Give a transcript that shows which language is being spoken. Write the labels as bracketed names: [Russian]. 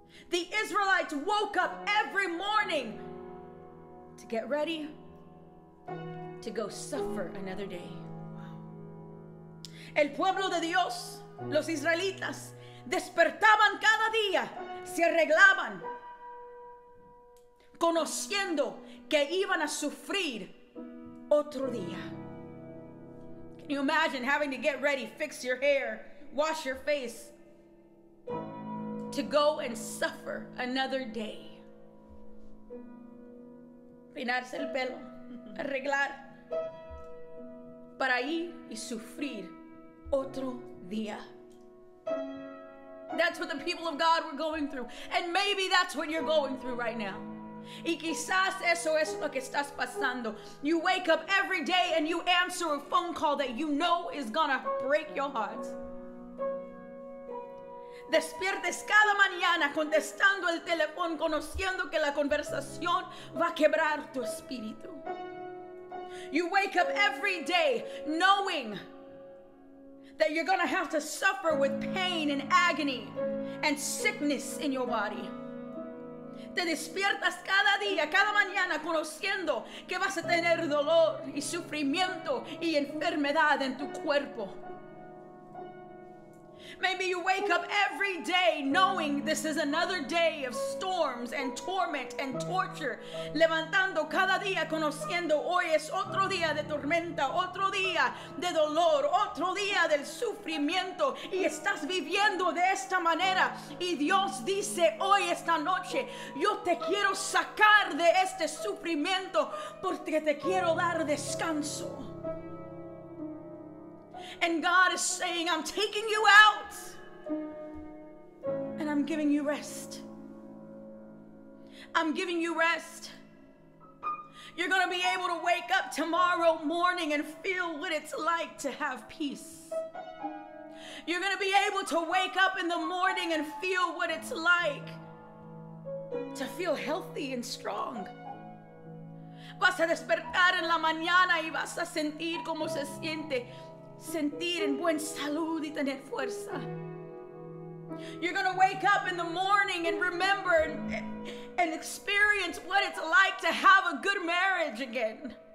[English] The Israelites woke up every morning to get ready to go suffer another day. [Spanish] El pueblo de Dios, los israelitas, despertaban cada día, se arreglaban, conociendo que iban a sufrir otro día. [English] Can you imagine having to get ready, fix your hair, wash your face, to go and suffer another day? [Spanish] Peinarse el pelo, arreglar, para ir y sufrir otro día. [English] That's what the people of God were going through. And maybe that's what you're going through right now. [Spanish] Y quizás eso es lo que estás pasando. [English] You wake up every day and you answer a phone call that you know is gonna break your heart. [Spanish] Despiertes cada mañana contestando el teléfono, conociendo que la conversación va a quebrar tu espíritu. [English] You wake up every day knowing that you're gonna have to suffer with pain and agony and sickness in your body. [Spanish] Te despiertas cada día, cada mañana, conociendo que vas a tener dolor y sufrimiento y enfermedad en tu cuerpo. [English] Maybe you wake up every day knowing this is another day of storms and torment and torture. [Spanish] Levantando cada día conociendo hoy es otro día de tormenta, otro día de dolor, otro día del sufrimiento. Y estás viviendo de esta manera. Y Dios dice hoy, esta noche, yo te quiero sacar de este sufrimiento porque te quiero dar descanso. [English] And God is saying, I'm taking you out and I'm giving you rest. I'm giving you rest. You're going to be able to wake up tomorrow morning and feel what it's like to have peace. You're going to be able to wake up in the morning and feel what it's like to feel healthy and strong. [Spanish] Vas a despertar en la mañana y vas a sentir cómo se siente. Sentir en buen salud y tener fuerza. [English] You're going to wake up in the morning and remember and experience what it's like to have a good marriage again.